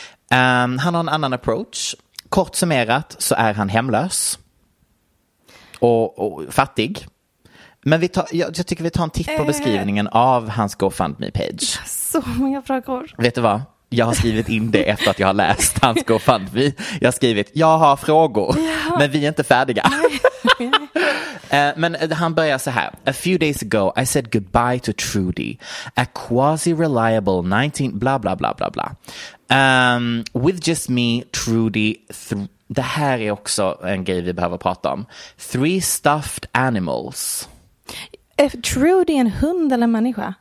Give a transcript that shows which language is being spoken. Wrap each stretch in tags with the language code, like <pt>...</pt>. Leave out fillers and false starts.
<sv>Han har en annan approach. Kort summerat så är han hemlös och fattig. Men jag tycker vi tar en titt på beskrivningen av hans GoFundMe-page. Så många frågor. Vet du vad? Jag har skrivit in det efter att jag har läst hans GoFundMe. Jag har skrivit, jag har frågor, men vi är inte färdiga. Men han börjar så här.</sv> <en>A few days ago, I said goodbye to Trudy, a quasi-reliable 19... bla bla bla bla bla. With just me, Trudy...</en> <sv>Det här är också en grej vi behöver prata om.</sv> <en>Three stuffed animals...</en> <sv>Är Trudy en hund eller en människa?</sv>